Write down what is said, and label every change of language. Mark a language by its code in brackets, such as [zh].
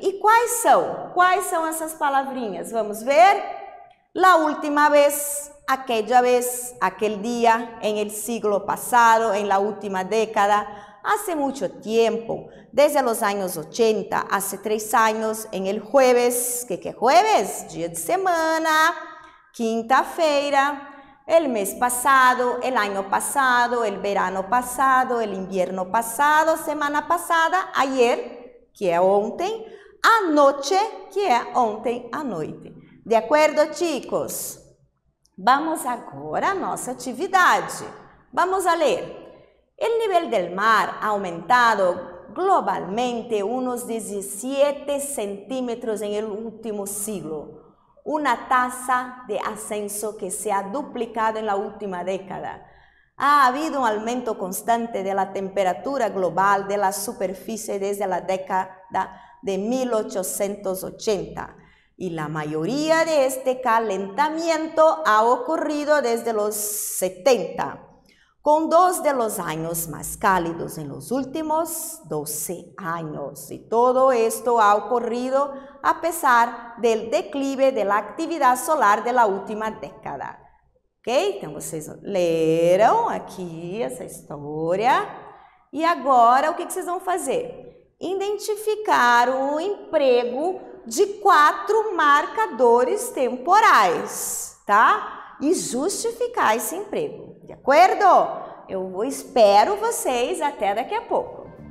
[pt] E quais são? Quais são essas palavrinhas? Vamos ver? [es] La última vez, aquella vez, aquel día, en el siglo pasado, en la última década, hace mucho tiempo, desde los años 80, hace 3 años, en el jueves, ¿qué jueves? Día de semana, [pt] quinta-feira, [es] el mes pasado, el año pasado, el verano pasado, el invierno pasado, semana pasada, ayer, [pt] que é ontem, [es] anoche, [pt] que é ontem à noite. De acordo, [es] chicos? [pt] Vamos agora à nossa atividade. Vamos a ler. [es] El nivel del mar ha aumentado globalmente unos 17 centímetros en el último siglo, una tasa de ascenso que se ha duplicado en la última década. Ha habido un aumento constante de la temperatura global de la superficie desde la década de 1880. Y la mayoría de este calentamiento ha ocurrido desde los 70, con 2 de los años más cálidos en los últimos 12 años. Y todo esto ha ocurrido a pesar del declive de la actividad solar de la última década. ¿Ok? [pt] Então, vocês leram aqui essa história. E agora, o que vocês vão fazer? Identificar um emprego de 4 marcadores temporais, tá? E justificar esse emprego, de acordo? Eu espero vocês até daqui a pouco.